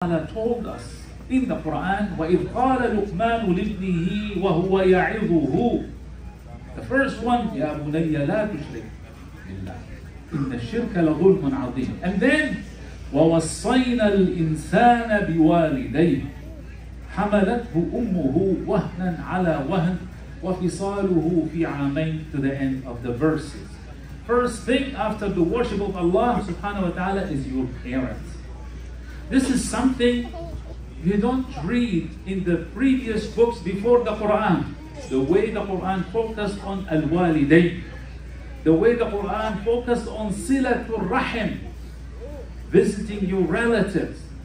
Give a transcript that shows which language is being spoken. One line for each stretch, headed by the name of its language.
English: Allah told us in the Quran,
Arabic: وَإِذْ قَالَ لُقْمَانُ لِبْنِهِ وَهُوَ يَعِظُهُ.
English: The first one,
Arabic: يَا بُنَيَّ لَا تُشْرِكْ بِاللَّهِ إِنَّ الشِّرْكَ لَظُلْمٌ عَظِيمٌ.
English: And then,
Arabic: وَوَصَّيْنَا الْإِنسَانَ بِوَالِدَيْهِ حَمَلَتْهُ أُمُّهُ وَهْنًا عَلَى وَهْنٍ وَفِصَالُهُ فِي عَامَيْنِ.
English: To the end of the verses. First thing after the worship of Allah subhanahu wa ta'ala is your parents. This is something you don't read in the previous books before the Quran. The way the Quran focused on al-walidayn, the way the Quran focused on silatul rahim, visiting your relatives.